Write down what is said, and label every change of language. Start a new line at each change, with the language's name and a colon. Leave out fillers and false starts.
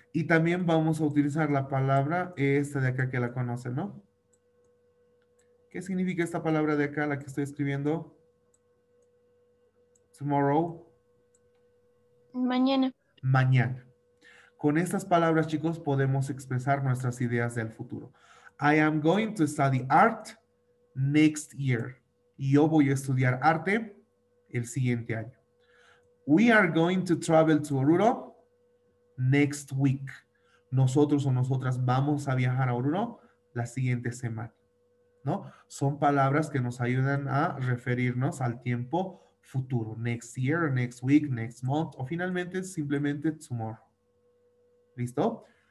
Spanish: Y también vamos a utilizar la palabra esta de acá que la conocen, ¿no? ¿Qué significa esta palabra de acá, la que estoy escribiendo?
English: Tomorrow.
Spanish: Mañana. Con estas palabras, chicos, podemos expresar nuestras ideas del futuro.
English: I am going to study art next year.
Spanish: Yo voy a estudiar arte el siguiente año.
English: We are going to travel to Oruro next week.
Spanish: Nosotros o nosotras vamos a viajar a Oruro la siguiente semana, ¿no? Son palabras que nos ayudan a referirnos al tiempo futuro.
English: Next year, next week, next month,
Spanish: o finalmente simplemente
English: tomorrow.
Spanish: ¿Listo?